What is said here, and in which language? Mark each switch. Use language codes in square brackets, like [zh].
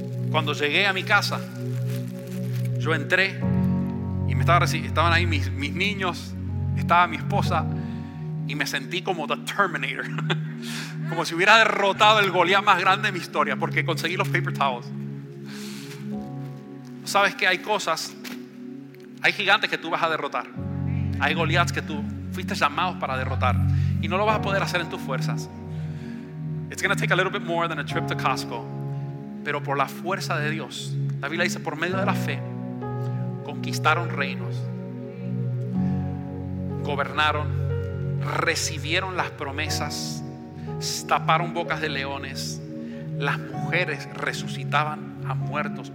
[es] Cuando llegué a mi casa, yo entré y estaban ahí mis niños, estaba mi esposa y me sentí como The Terminator, como si hubiera derrotado el Goliat más grande de mi historia, porque conseguí los [en] paper towels. [es] Sabes que hay cosas, hay gigantes que tú vas a derrotar, hay Goliats que tú fuiste llamado para derrotar y no lo vas a poder hacer en tus fuerzas. [en] It's going to take a little bit more than a trip to Costco. [es] Pero por la fuerza de Dios, la Biblia dice, por medio de la fe conquistaron reinos, gobernaron, recibieron las promesas, taparon bocas de leones, las mujeres resucitaban a muertos.